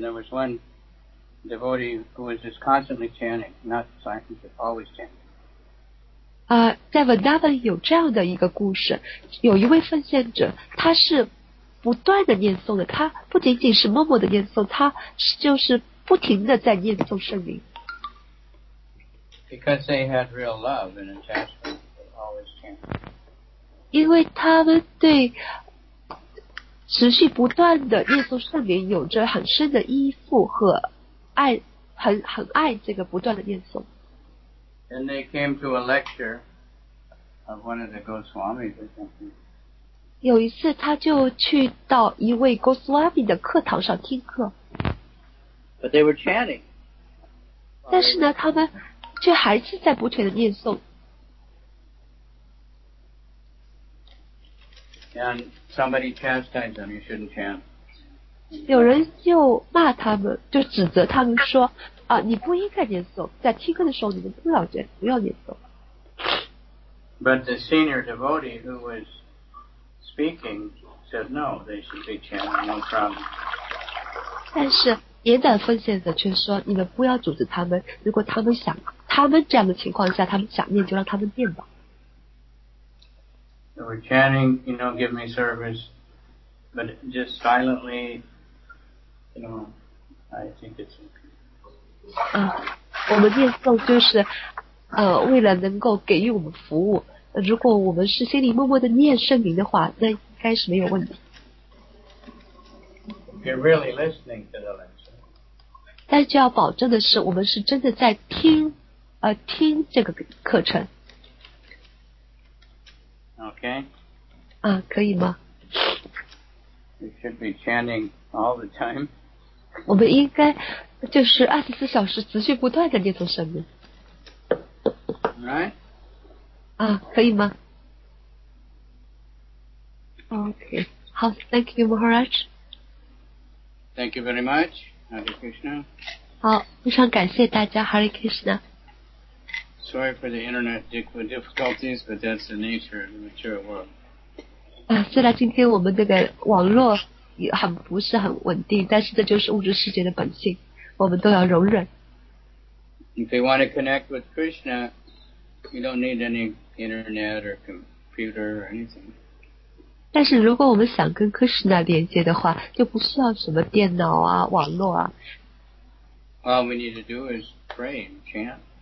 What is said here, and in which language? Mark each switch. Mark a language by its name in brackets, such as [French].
[English] There was one devotee who was just constantly chanting, not silent, but always chanting. [Chinese] 在 Vrindavan 有这样的一个故事，有一位奉献者，他是不断的念诵的，他不仅仅是默默的念诵，他就是。不停地在念诵圣名。 [English] Because they had real love and attachment, they always chanted. [Chinese] 因为他们对持续不断的念诵圣名有着很深的依附和爱，很爱这个不断的念诵。 [English] And they came to a lecture of one of the Goswamis or something. [Chinese] 有一次，他就去到一位 Goswami 的课堂上听课。 [English] But they were chanting. [Chinese] 但是呢，他们却还是在不停的念诵。 [English] And somebody chastised them, you shouldn't chant. [Chinese] 有人就骂他们，就指责他们说，啊，你不应该念诵，在听课的时候你们不要念，不要念诵。 [English] But the senior devotee who was speaking said, no, they should be chanting, no problem. [Chinese] 但是也等奉献者却说，你们不要阻止他们，如果他们想，他们这样的情况下，他们想念就让他们念吧。 [English] They were chanting, you know, give me service, but just silently, you know, I think it's okay. [Chinese] 我们念诵就是为了能够给予我们服务，如果我们是心里默默的念圣名的话，那应该是没有问题。 [English] You're really listening to the lecture. [Chinese] 但就要保证的是我们是真的在听听这个课程。 [English] OK [Chinese] 啊，可以吗？ [English] We should be chanting all the time. [Chinese] 我们应该就是24小时持续不断的念诵圣名。 [English] Right [Chinese] 啊，可以吗？ [English] OK 好， Thank you Maharaj. Thank you very much. Hare Krishna. [Chinese] 好，非常感谢大家。Hare Krishna. [English] Sorry for the internet difficulties, but that's the nature of the material world. [Chinese] 啊，虽然今天我们这个网络也很不是很稳定，但是这就是物质世界的本性，我们都要容忍。 [English] If you want to connect with Krishna, you don't need any internet or computer or anything. [Chinese] 但是如果我们想跟 Krishna 连接的话，就不需要什么电脑啊、网络啊。 [English] All we need to do is pray and chant.